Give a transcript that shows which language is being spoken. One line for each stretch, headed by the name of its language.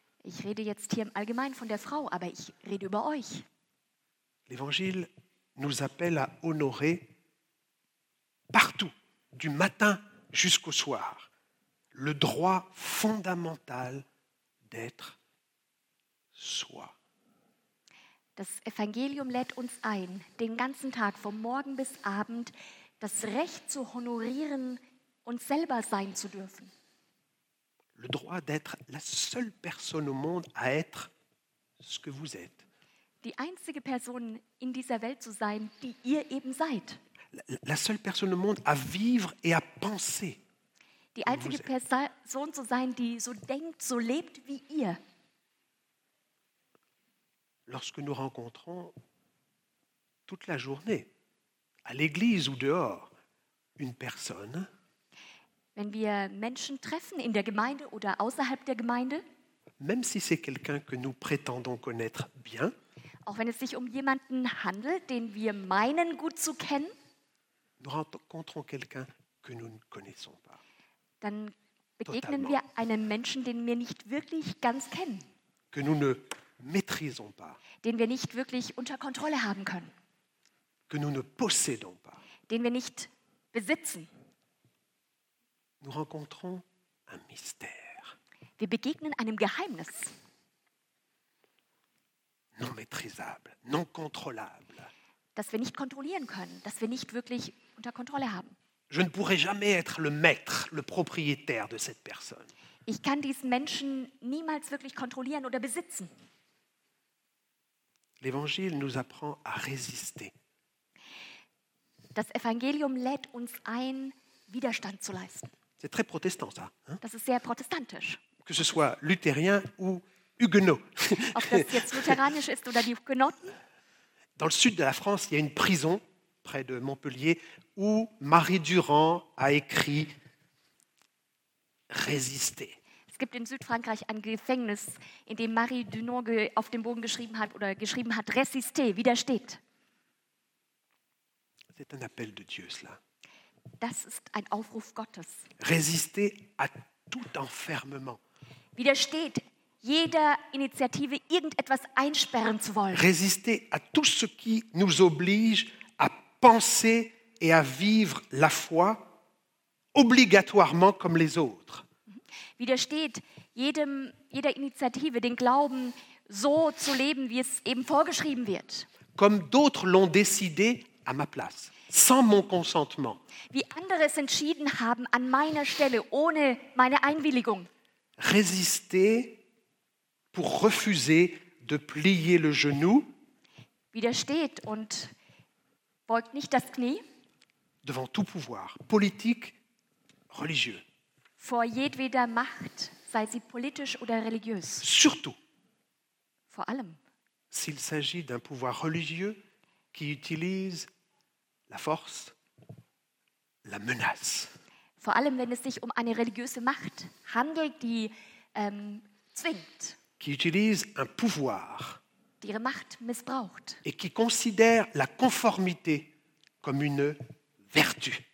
German: Ich rede jetzt hier im Allgemeinen von der Frau, aber ich rede über euch.
French: L'Évangile nous appelle à honorer partout, du matin jusqu'au soir, le droit fondamental d'être soi.
German: Das Evangelium lädt uns ein, den ganzen Tag, vom Morgen bis Abend, das Recht zu honorieren, uns selber sein zu dürfen.
French: Le droit d'être la seule personne au monde à être ce que vous êtes.
German: Die einzige Person in dieser Welt zu sein, die ihr eben seid.
French: La seule personne au monde à vivre et à penser.
German: Die einzige Person zu sein, die so denkt, so lebt wie ihr.
French: Lorsque nous rencontrons toute la journée, à l'église ou dehors, une personne,
German: wenn wir Menschen treffen in der Gemeinde oder außerhalb der Gemeinde,
French: même si c'est quelqu'un que nous prétendons connaître bien,
German: auch wenn es sich um jemanden handelt, den wir meinen gut zu kennen,
French: nous rencontrons quelqu'un que nous ne connaissons pas.
German: Dann begegnen wir einem Menschen, den wir nicht wirklich ganz kennen,
French: que nous ne maîtrisons pas,
German: den wir nicht wirklich unter Kontrolle haben können,
French: que nous ne possédons pas,
German: den wir nicht besitzen.
French: Nous rencontrons un mystère.
German: Wir begegnen einem Geheimnis.
French: Non maîtrisable, non contrôlable.
German: Das wir nicht kontrollieren können, das wir nicht wirklich unter Kontrolle haben.
French: Je ne pourrai jamais être le maître, le propriétaire de cette personne.
German: Ich kann diesen Menschen niemals wirklich kontrollieren oder besitzen.
French: L'Évangile nous apprend à résister.
German: Das Evangelium lädt uns ein, Widerstand zu leisten.
French: C'est très protestant, ça. Hein?
German: Das ist sehr protestantisch.
French: Que ce soit luthérien ou huguenot.
German: Ob das jetzt lutheranisch ist oder die Hugenotten.
French: Dans le sud de la France, il y a une prison près de Montpellier où Marie Durand a écrit résister.
German: Es gibt in Südfrankreich ein Gefängnis, in dem Marie Durand auf dem Bogen geschrieben hat oder geschrieben hat résister, widersteht.
French: C'est un appel de Dieu, cela.
German: Das ist ein Aufruf Gottes.
French: Résister à tout enfermement.
German: Widersteht jeder Initiative, irgendetwas einsperren zu wollen.
French: Résister à tout ce qui nous oblige à penser et à vivre la foi obligatoirement comme les autres.
German: Widersteht jeder Initiative, den Glauben so zu leben, wie es eben vorgeschrieben wird.
French: Comme d'autres l'ont décidé à ma place. Sans mon consentement.
German: Wie andere es entschieden haben an meiner Stelle ohne meine Einwilligung.
French: Résister pour refuser de plier le genou.
German: Widersteht und beugt nicht das Knie.
French: Devant tout pouvoir politique, religieux.
German: Vor jedweder Macht, sei sie politisch oder religiös.
French: Surtout.
German: Vor allem.
French: S'il s'agit d'un pouvoir religieux qui utilise la force, la menace.
German: Vor allem, wenn es sich um eine religiöse Macht handelt, die zwingt.
French: Qui utilise un pouvoir.
German: Die ihre Macht missbraucht.
French: Et qui considère la conformité comme une vertu.